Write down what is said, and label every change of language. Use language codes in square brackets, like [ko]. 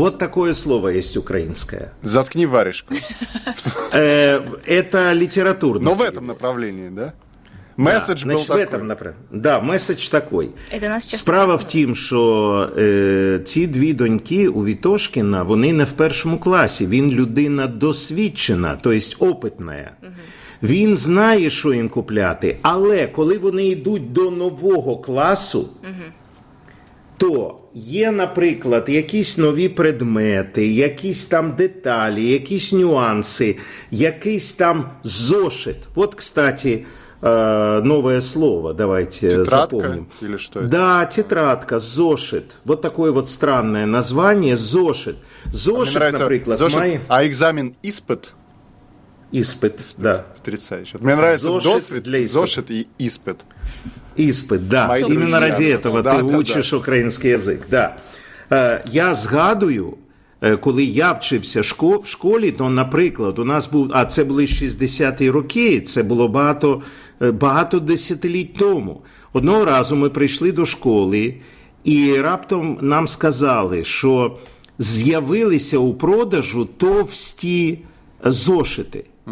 [ru] Вот такое слово есть украинское. Заткни варежку. Это литературно. Но в этом направлении, да? Месседж да, значит, был в такой. Этом, например, да, месседж такой. Это нас сейчас... [uk] Справа в тім, що ці дві доньки у Вітошкіна, вони не в першому класі. Він людина досвідчена, тобто опитна. Угу. Він знає, що їм купляти, але коли вони йдуть до нового класу, то є, наприклад, якісь нові предмети, якісь там деталі, якісь нюанси, якийсь там зошит. [ru] От, кстати, нове слово, давайте запомнимо. Тетрадка или что? Да, тетрадка, зошит. Вот такое вот странное название, зошит. [uk] Зошит, а наприклад, зошит, має... [ru] А экзамен [uk] іспит? Іспит, да. [ru] Потрясающе. [uk] Мені нравится досвід, зошит і іспит. Іспит, да. [ru] Мои именно друзья, ради этого ты учишь украинский язык, да. [uk] Я згадую, коли я вчився в школі, то, наприклад, у нас був, а це були 60-ті роки, це було багато, багато десятиліть тому. Одного разу ми прийшли до школи, і раптом нам сказали, що з'явилися у продажу товсті зошити.